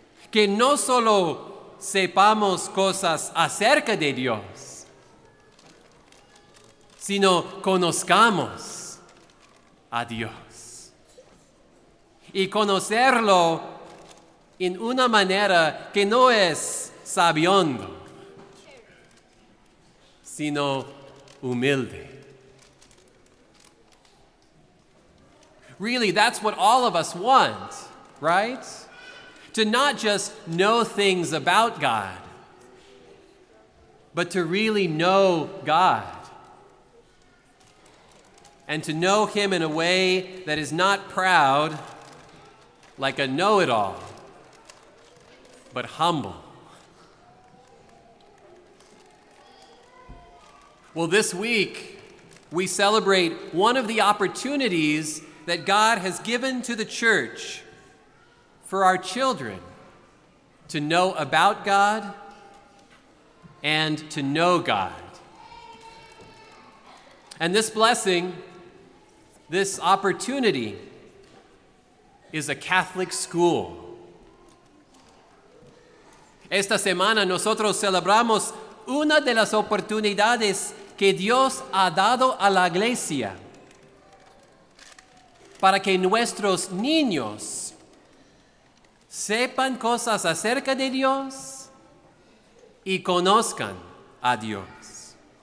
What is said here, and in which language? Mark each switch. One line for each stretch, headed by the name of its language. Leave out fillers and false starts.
Spanish: Que no solo sepamos cosas acerca de Dios, sino conozcamos a Dios. Y conocerlo en una manera que no es sabiondo, sino humilde.
English: Really, that's what all of us want, right? To not just know things about God, but to really know God. And to know Him in a way that is not proud, like a know-it-all, but humble. Well, this week, we celebrate one of the opportunities that God has given to the church for our children to know about God and to know God. And this blessing, this opportunity, is a Catholic school.
Spanish: Esta semana nosotros celebramos una de las oportunidades que Dios ha dado a la iglesia para que nuestros niños sepan cosas acerca de Dios y conozcan a Dios.